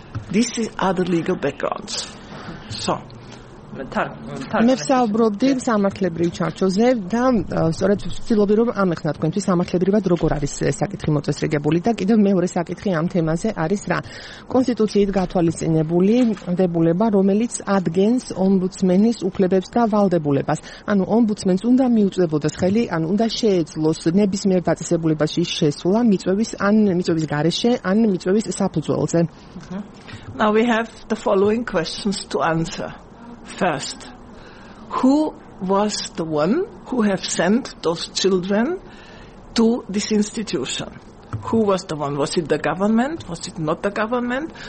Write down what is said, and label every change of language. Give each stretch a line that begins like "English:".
English: These are the legal backgrounds. So.
Georgian: მეცაუბრობდი სამართლებრივ ჩარჩოზე და სწორედ ვცდილობდი რომ ამეხნა თქვენთვის სამართლებრივად როგორ არის საკითხი მოწესრიგებული. და კიდევ მეორე საკითხი ამ თემაზე არის რა. კონსტიტუციით გათვალისწინებული ვალდებულება, რომელიც ადგენს ომბუდსმენის უფლებებს და ვალდებულებას. ანუ ომბუდსმენს უნდა მიუწვდებოდეს ხელი, ანუ უნდა შეეძლოს ნებისმიერ დაწესებულებაში შესვლა მიწვევის გარეშე ან მიწვევის საფუძველზე.
English: Now we have the following questions to answer. First, who was the one who have sent those children to this institution? Who was the one? Was it the government? Was it not the government?